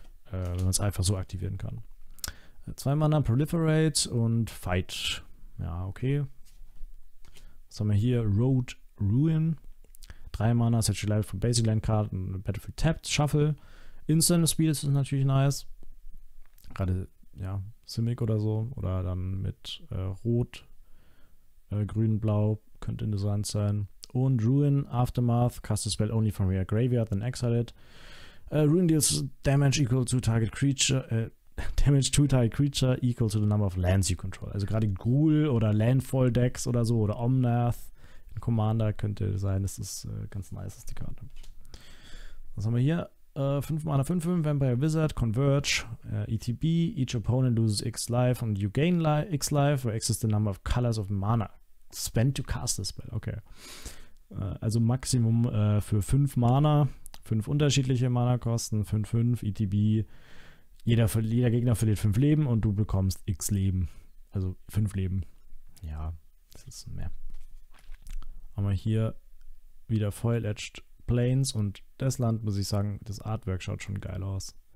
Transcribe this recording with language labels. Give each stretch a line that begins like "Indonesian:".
German: Wenn man es einfach so aktivieren kann. 2 Mana Proliferate und Fight. Ja, okay. Was haben wir hier? Road Ruin. 3 Mana, Search Life von Basic Land Card und Battlefield Tapped, Shuffle. Instant Speed ist natürlich nice. Gerade, ja, Simic oder so. Oder dann mit Rot. Grün, Blau könnte interessant sein.
English: Und Ruin, Aftermath, cast a spell only from your graveyard, then exile it. Ruin deals damage equal to target creature, damage to target creature equal to the number of lands you control.
German: Also gerade Ghoul oder Landfall Decks oder so oder Omnath in Commander könnte sein. Das ist ganz nice, ist die Karte. Was haben wir hier?
English: 5 Mana, 5, Vampire Wizard, Converge, ETB, each opponent loses X life and you gain X life, where X is the number of colors of mana. Spend to cast a spell, okay.
German: Also Maximum für 5 Mana, 5 unterschiedliche Mana-Kosten, 5, ETB, jeder Gegner verliert 5 Leben und du bekommst X Leben. Also 5 Leben. Ja, das ist mehr. Aber hier wieder Foil-Edged Plains und das Land, muss ich sagen, das Artwork schaut schon geil aus.